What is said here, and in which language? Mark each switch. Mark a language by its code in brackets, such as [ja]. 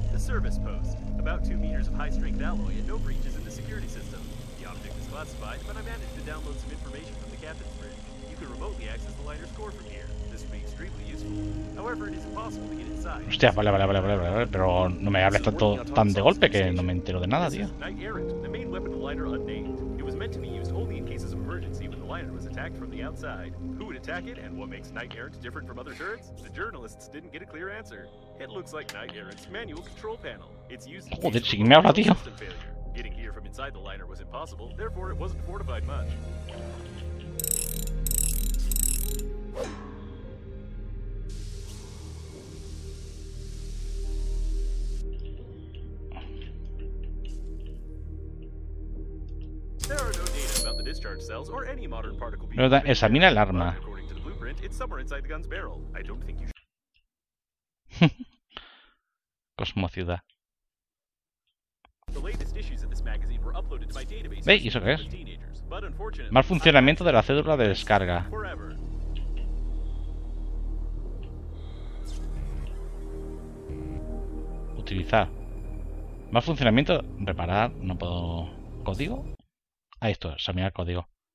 [en] Service post, about 2 meters of high strength alloy and no breaches in the security system. The project is classified, but I managed to download some information from the captain's bridge. You can remotely access the liner's core from here. This would be extremely useful. However, it is impossible to get inside. [es] Hostia, vale, pero no me hables tanto tan de golpe que no me entero de nada, tío. [en] Knight Errant, the main weapon of the liner unnamed. It was meant to be used only in cases of emergency when the liner was attacked from the outside. Who would attack it, and what makes Knight Errant different from other turrets? The journalists didn't get a clear answer. It looks like Knight Errant's manual control panel. It's used to be a system failure. Getting here from inside the liner was impossible, therefore it wasn't fortified much. There are no data about the discharge cells or any modern particle [es] beam. Examina el arma. [en] According to the blueprint, it's somewhere inside the gun's barrel. I don't think you should. [es] Cosmo Ciudad. [en] The latest issues of this magazine were uploaded to my database. [es] ¿Ve? ¿Y eso qué es? Mal funcionamiento de la cédula de descarga. Utilizar. Mal funcionamiento. Reparar. No puedo. ¿Código? Ah, esto. Examinar código.